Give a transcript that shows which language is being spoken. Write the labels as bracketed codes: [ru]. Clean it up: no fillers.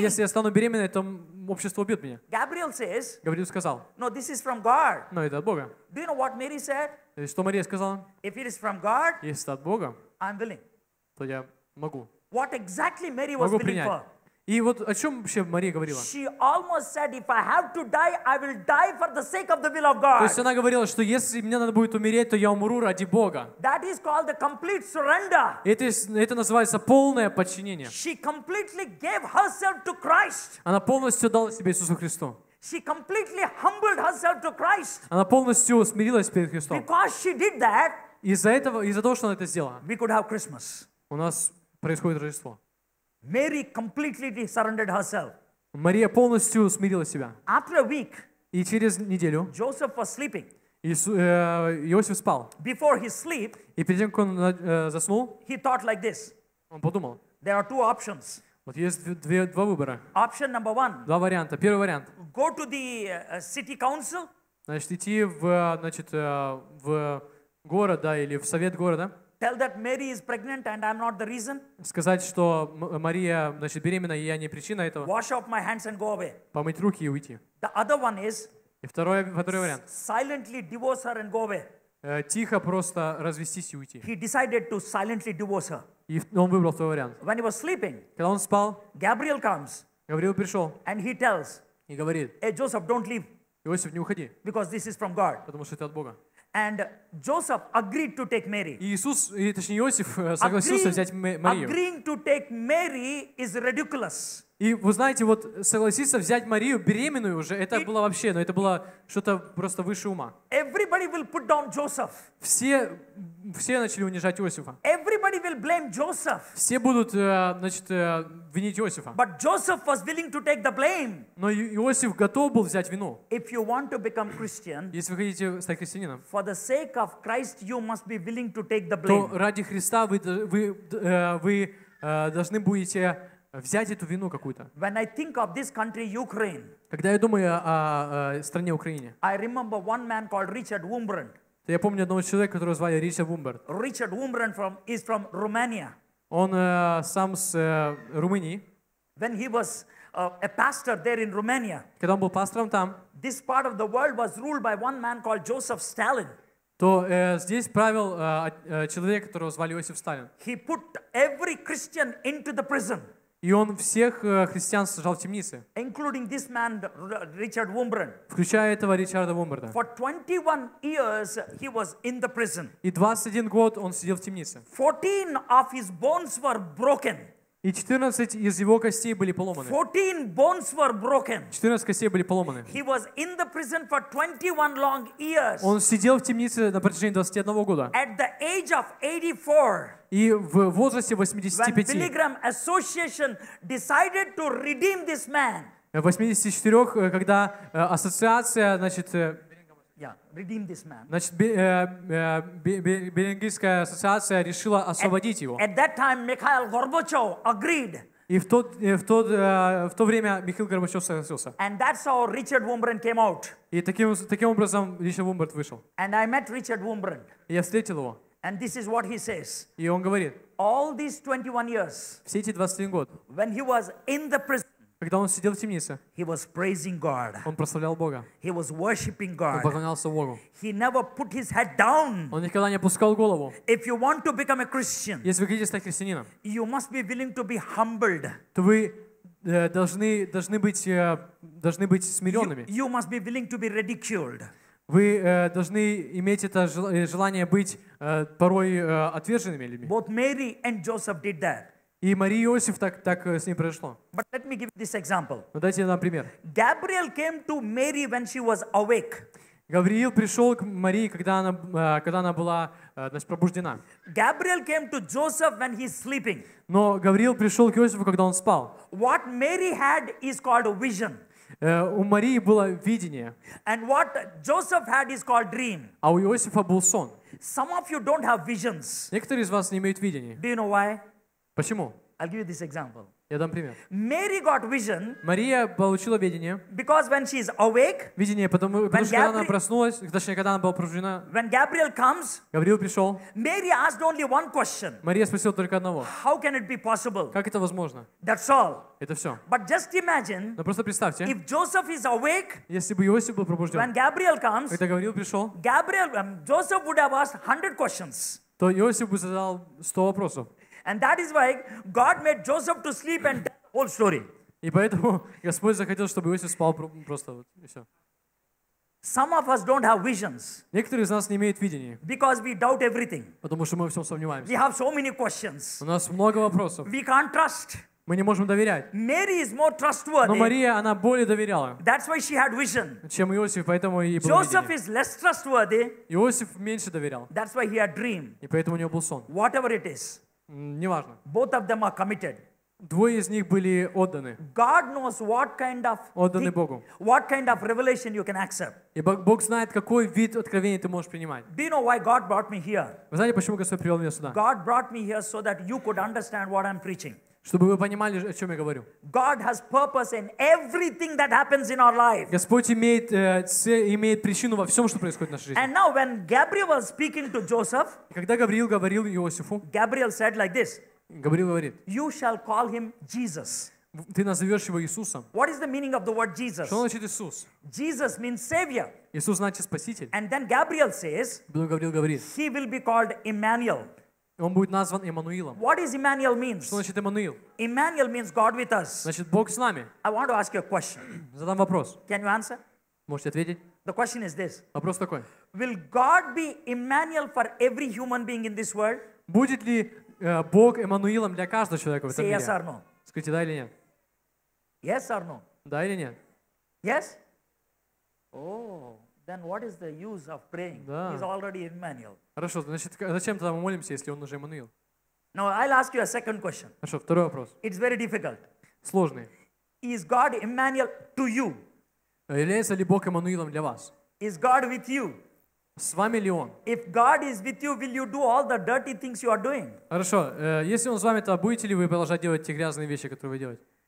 [ru] Если я стану беременной, то общество убьет меня. [en] Gabriel says, [ru] Gabriel сказал, [en] "No, this is from God." [ru] Но это от Бога. [en] Do you know what Mary said? [ru] И что Мария сказала? [en] If it is from God, [ru] если это от Бога, [en] I'm willing. [ru] То я могу. [en] What exactly Mary was believing for? [ru] И вот о чем вообще Мария говорила? [en] She almost said, "If I have to die, I will die for the sake of the will of God." [ru] То есть она говорила, что если мне надо будет умереть, то я умру ради Бога. [en] That is called the complete surrender. [ru] Это называется полное подчинение. [en] She completely gave herself to Christ. [ru] Она полностью дала себя Иисусу Христу. [en] She completely humbled herself to Christ. [ru] Она полностью смирилась перед Христом. [en] Because she did that, [ru] из-за того, что она это сделала, [en] we could have Christmas. [ru] У нас происходит Рождество. [en] Mary completely surrendered herself. [ru] Мария полностью смирила себя. [en] After a week, [ru] и через неделю [en] Joseph was sleeping. [ru] Иосиф спал. [en] Before he sleep, [ru] и перед тем, как он заснул, [en] he thought like this. [ru] Он подумал. [en] There are two options. [ru] Вот есть два выбора. [en] Option number one, [ru] два варианта. Первый вариант. [en] Go to the city council, [ru] значит, идти в город, да, или в совет города. [en] Tell that Mary is pregnant and I'm not the reason. [ru] Сказать, что Мария, значит, беременна, и я не причина этого. [en] Wash off my hands and go away. [ru] Помыть руки и уйти. [en] The other one is. [ru] И второй вариант. [en] Silently divorce her and go away. [ru] Тихо просто развестись и уйти. [en] He decided to silently divorce her. [ru] И он выбрал второй вариант. [en] When he was sleeping. [ru] Когда он спал. [en] Gabriel comes. [ru] Гавриил пришел. [en] And he tells. [ru] И говорит. [en] Hey, Joseph, don't leave. [ru] Иосиф, не уходи. [en] Because this is from God. [ru] Потому что это от Бога. [en] And Joseph agreed to take Mary. [ru] Иисус, и точнее Иосиф, согласился взять Марию. [en] Agreeing to take Mary is ridiculous. [ru] И вы знаете, вот согласиться взять Марию беременную уже, это было вообще, но это было что-то просто выше ума. [en] Everybody will put down Joseph. [ru] Все начали унижать Иосифа. [en] Everybody will blame Joseph. [ru] Все будут, значит, винить Иосифа. [en] But Joseph was willing to take the blame. [ru] Но Иосиф готов был взять вину. [en] If you want to become Christian, [ru] если вы хотите стать христианином, [en] for the sake of Christ, you must be willing to take the blame. [ru] То ради Христа вы должны будете взять эту вину какую-то. [en] When I think of this country, Ukraine, [ru] когда я думаю о стране Украине, [en] I remember one man called Richard Wurmbrand. [ru] То я помню одного человека, которого звали Ричард Вумберт. [en] Richard Wurmbrand is from Romania. [ru] Он сам с Румынии. [en] When he was a pastor there in Romania, [ru] когда он был пастором там, [en] this part of the world was ruled by one man called Joseph Stalin. [ru] То здесь правил человек, которого звали Иосиф Сталин. [en] He put every Christian into the prison. [ru] И он всех христиан сажал в темнице. [en] Including this man, Richard Wurmbrand. [ru] Включая этого Ричарда Вумберта. [en] For 21 years he was in the prison. [ru] И 21 год он сидел в темнице. [en] 14 of his bones were broken. [ru] И 14 из его костей были поломаны. [en] 14 bones were broken. [ru] 14 костей были поломаны. [en] He was in the prison for 21 long years. [ru] Он сидел в темнице на протяжении 21 года. [en] At the age of 84. [ru] И в возрасте 85. [en] When Billy Graham Association decided to redeem this man. [ru] 84, когда ассоциация, значит, [en] redeem this man. [ru] Значит, Берингийская ассоциация решила освободить его. [en] At that time, Mikhail Gorbachev agreed. [ru] И в то время Михаил Горбачев согласился. [en] And that's how Richard Wurmbrand came out. [ru] И таким образом Ричард Вумберт вышел. [en] And I met Richard Wurmbrand. [ru] Я встретил его. [en] And this is what he says. [ru] И он говорит. [en] All these 21 years. [ru] Все эти 21 год. [en] When he was in the prison. [ru] Когда он сидел в темнице, [en] he was praising God. [ru] Он прославлял Бога. [en] He was worshiping God. [ru] Он поклонялся Богу. [en] He never put his head down. [ru] Он никогда не опускал голову. [en] If you want to become a Christian, [ru] если вы хотите стать христианином, [en] you must be willing to be humbled. [ru] То вы должны быть смиренными. [en] You must be willing to be ridiculed. [ru] Вы должны иметь это желание быть порой отверженными людьми. [en] Both Mary and Joseph did that. [ru] И Мария и Иосиф так с ним произошло. [en] But let me give this example. [ru] Но дайте нам пример. [en] Gabriel came to Mary when she was awake. [ru] Гавриил пришел к Марии, когда она была, значит, пробуждена. [en] Gabriel came to Joseph when he's sleeping. [ru] Но Гавриил пришел к Иосифу, когда он спал. [en] What Mary had is called a vision. [ru] У Марии было видение. [en] And what Joseph had is called dream. [ru] А у Иосифа был сон. [en] Some of you don't have visions. [ru] Некоторые из вас не имеют видений. [en] Do you know why? [ru] Почему? [en] I'll give you this example. [ru] Я дам пример. [en] Mary got vision. [ru] Мария получила видение. [en] Because when she is awake. [ru] Видение, потому что когда она проснулась, точнее, когда она была пробуждена. [en] When Gabriel comes. [ru] Гавриил пришел. [en] Mary asked only one question. [ru] Мария спросила только одного. [en] How can it be possible? [ru] Как это возможно? [en] That's all. [ru] Это все. [en] But just imagine. [ru] Но просто представьте. [en] If Joseph is awake. [ru] Если бы Иосиф был пробужден. [en] When Gabriel comes. [ru] Когда Гавриил пришел. [en] Gabriel, Joseph would have asked 100 questions. [ru] То Иосиф бы задал 100 вопросов. [en] And that is why God made Joseph to sleep and tell the whole story. [ru] И поэтому Господь захотел, чтобы Иосиф спал просто вот и все. [en] Some of us don't have visions. [ru] Некоторые из нас не имеют видения. [en] Because we doubt everything. [ru] Потому что мы во всем сомневаемся. [en] We have so many questions. [ru] У нас много вопросов. [en] We can't trust. [ru] Мы не можем доверять. [en] Mary is more trustworthy. [ru] Но Мария, она более доверяла. [en] That's why she had vision. [ru] Чем Иосиф, поэтому ей было видение. [en] Joseph is less trustworthy. [ru] Иосиф меньше доверял. [en] That's why he had dream. [ru] И поэтому у него был сон. [en] Whatever it is. [ru] Неважно. [en] Both of them are committed. [ru] Двое из них были отданы. [en] God knows what kind of [ru] отданы Богу. [en] What kind of revelation you can accept. [ru] И Бог знает, какой вид откровения ты можешь принимать. [en] Do you know why God brought me here? [ru] Вы знаете, почему Господь привел меня сюда? [en] God brought me here so that you could understand what I'm preaching. [ru] Чтобы вы понимали, о чем я говорю. [en] God has purpose in everything that happens in our life. [ru] Господь имеет причину во всем, что происходит в нашей жизни. [en] And now when Gabriel was speaking to Joseph, [ru] когда Гавриил говорил Иосифу, [en] Gabriel said like this. [ru] Gabriel говорит. [en] You shall call him Jesus. [ru] Ты назовешь его Иисусом. [en] What is the meaning of the word Jesus? [ru] Что значит Иисус? [en] Jesus means savior. [ru] Иисус значит спаситель. [en] And then Gabriel says. [ru] Гавриил говорит. [en] He will be called Emmanuel. [ru] Он будет назван Эммануилом. [en] What is Emmanuel means? [ru] Что значит Эммануил? [en] Emmanuel means God with us. [ru] Значит, Бог с нами. [en] I want to ask you a question. [ru] Задам вопрос. [en] Can you answer? [ru] Можете ответить? [en] The question is this. [ru] Вопрос такой. [en] Will God be Emmanuel for every human being in this world? [ru] Будет ли Бог Эммануилом для каждого человека в этом [en] Say [ru] мире? [en] Yes or no. [ru] Скажите, да или нет? [en] Yes or no. [ru] Да или нет? [en] Yes? Oh, then what is the use of praying? [ru] Да. [en] He's already Emmanuel. [ru] Хорошо, значит, зачем тогда мы молимся, если он уже Эммануил? [en] Now, I'll ask you a second question. [ru] Хорошо, второй вопрос. [en] It's very difficult. [ru] Сложный. [en] Is God Emmanuel to you? [ru] Является ли Бог Эммануилом для вас? [en] Is God with you? [ru] С вами ли он? [en] If God is with you, will you do all the dirty things you are doing? [ru] Хорошо, если он с вами, то будете ли вы продолжать делать те грязные вещи, которые вы делаете?